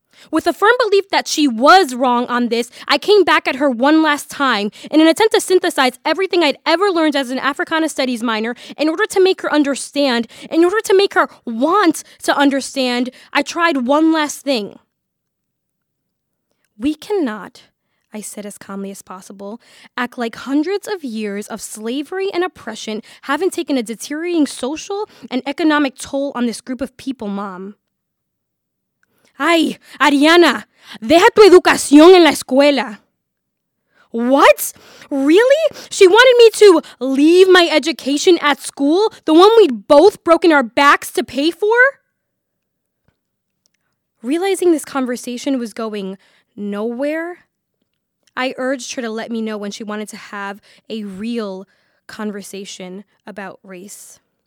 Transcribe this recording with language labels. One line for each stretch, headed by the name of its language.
English: With a firm belief that she was wrong on this, I came back at her one last time in an attempt to synthesize everything I'd ever learned as an Africana studies minor in order to make her understand, in order to make her want to understand, I tried one last thing. "We cannot," I said as calmly as possible, "act like hundreds of years of slavery and oppression haven't taken a deteriorating social and economic toll on this group of people, Mom."
Spanish: "Ay, Ariana, deja tu educación en la escuela."
English: "What? Really? She wanted me to leave my education at school? The one we'd both broken our backs to pay for?" Realizing this conversation was going nowhere, I urged her to let me know when she wanted to have a real conversation about race.